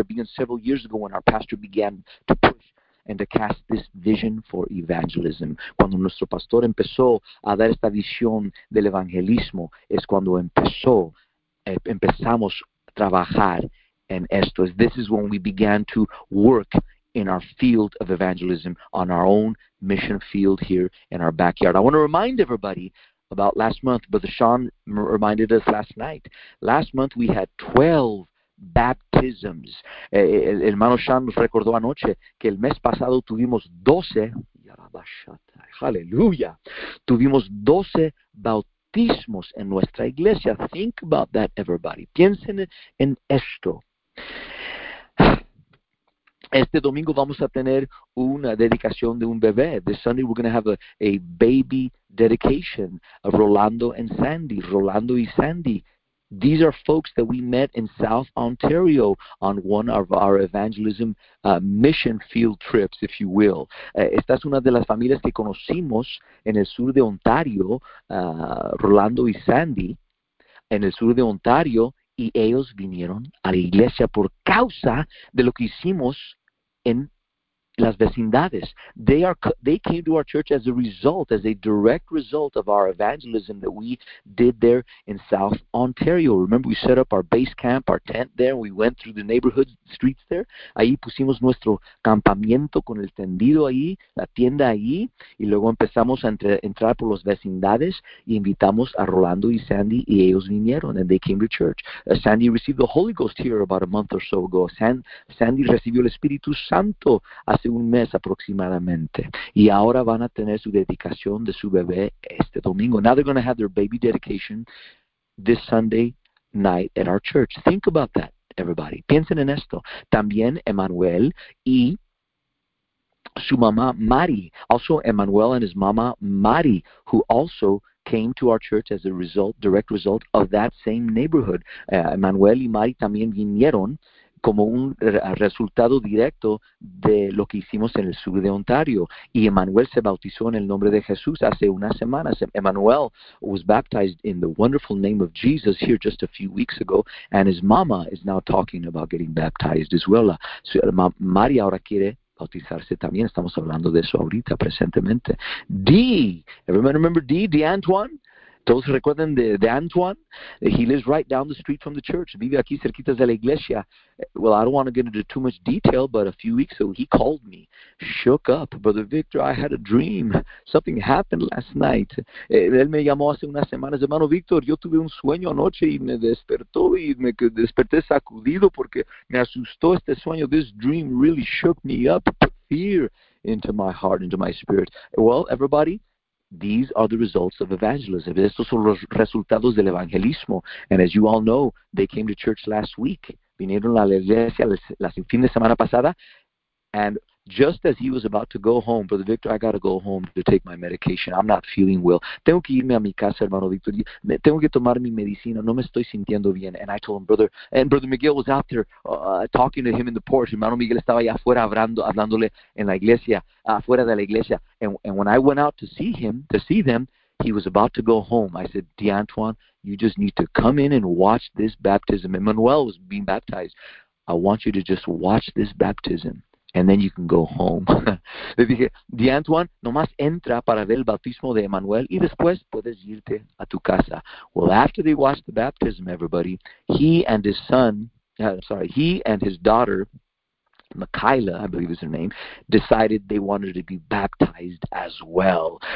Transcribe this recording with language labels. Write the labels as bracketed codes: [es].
[en] It began several years ago when our pastor began to push and to cast this vision for evangelism. [es] Cuando nuestro pastor empezó a dar esta visión del evangelismo, es cuando empezamos trabajar en esto. [en] This is when we began to work in our field of evangelism, on our own mission field here in our backyard. I want to remind everybody about last month. Brother Sean reminded us last night. Last month we had 12 baptisms. [es] El hermano Sean nos recordó anoche que el mes pasado tuvimos 12. Hallelujah. Tuvimos 12 bautismos en nuestra iglesia. [en] Think about that, everybody. [es] Piensen en esto. Este domingo vamos a tener una dedicación de un bebé. [en] This Sunday we're going to have a baby dedication of Rolando and Sandy. Rolando y Sandy. These are folks that we met in South Ontario on one of our evangelism mission field trips, if you will. [es] Esta es una de las familias que conocimos en el sur de Ontario, Rolando y Sandy, en el sur de Ontario, y ellos vinieron a la iglesia por causa de lo que hicimos en las vecindades. [en] They came to our church as a result, as a direct result of our evangelism that we did there in South Ontario. Remember, we set up our base camp, our tent there, and we went through the neighborhood streets there. [es] Ahí pusimos nuestro campamento con el tendido ahí, la tienda allí, y luego empezamos a entrar por las vecindades y invitamos a Rolando y Sandy, y ellos vinieron, [en] and they came to church. Sandy received the Holy Ghost here about a month or so ago. [es] Sandy recibió el Espíritu Santo hace un mes aproximadamente, y ahora van a tener su dedicación de su bebé este domingo. [en] Now they're going to have their baby dedication this Sunday night at our church. Think about that, everybody. [es] Piensen en esto. También Emmanuel y su mamá Mari. [en] Also Emmanuel and his mama Mari, who also came to our church as a result, direct result of that same neighborhood. [es] Emmanuel y Mari también vinieron como un resultado directo de lo que hicimos en el sur de Ontario. Y Emmanuel se bautizó en el nombre de Jesús hace unas semanas. [en] Emmanuel was baptized in the wonderful name of Jesus here just a few weeks ago, and his mama is now talking about getting baptized as well. [es] Mari ahora quiere bautizarse también. Estamos hablando de eso ahorita, presentemente. D, [en] everyone remember [es] D, D Antoine? Todos recuerdan de Antoine? [en] He lives right down the street from the church. [es] Vive aquí cerquita de la iglesia. [en] Well, I don't want to get into too much detail, but a few weeks ago, he called me. Shook up. Brother Victor, I had a dream. Something happened last night. [es] Él me llamó hace unas semanas. Hermano Victor, yo tuve un sueño anoche y me despertó y me desperté sacudido porque me asustó este sueño. [en] This dream really shook me up, put fear into my heart, into my spirit. Well, everybody, these are the results of evangelism. [es] Estos son los resultados del evangelismo. [en] And as you all know, they came to church last week. [es] Vinieron a la iglesia la fin de semana pasada. [en] And just as he was about to go home, Brother Victor, I got to go home to take my medication. I'm not feeling well. [es] Tengo que irme a mi casa, hermano Victor. Tengo que tomar mi medicina. No me estoy sintiendo bien. [en] And I told him, Brother, and Brother Miguel was out there talking to him in the porch. [es] Hermano Miguel estaba allá afuera hablándole en la iglesia, afuera de la iglesia. [en] And when I went out to see him, to see them, he was about to go home. I said, D'Antoine, you just need to come in and watch this baptism. And Manuel was being baptized. I want you to just watch this baptism. And then you can go home. [es] Le dije, D'Antoine, nomás entra para ver el bautismo de Emmanuel y después puedes irte a tu casa. [en] Well, after they watched the baptism, everybody, he and his daughter, Michaela, I believe is her name, decided they wanted to be baptized as well.